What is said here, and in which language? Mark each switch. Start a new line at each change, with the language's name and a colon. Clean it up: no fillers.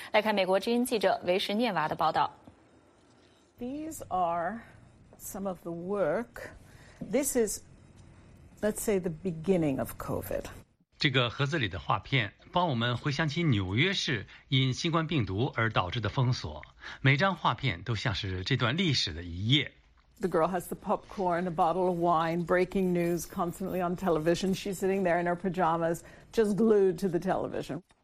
Chinese: 生活在纽约的时尚插画家和作家丽贝卡·摩西决定将一个疫病隔离艺术项目划为献给纽约市所有护士的礼物。来看美国之音记者维什涅娃的报道。
English: These are some of the work. This is, let's say, the beginning of COVID.
Chinese: 这个盒子里的画片帮我们回想起纽约市因新冠病毒而导致的封锁，每张画片都像是这段历史的一页。
English: The girl has the popcorn, a bottle of wine, breaking news constantly on television. She's sitting there in her pajamas, just glued to the television.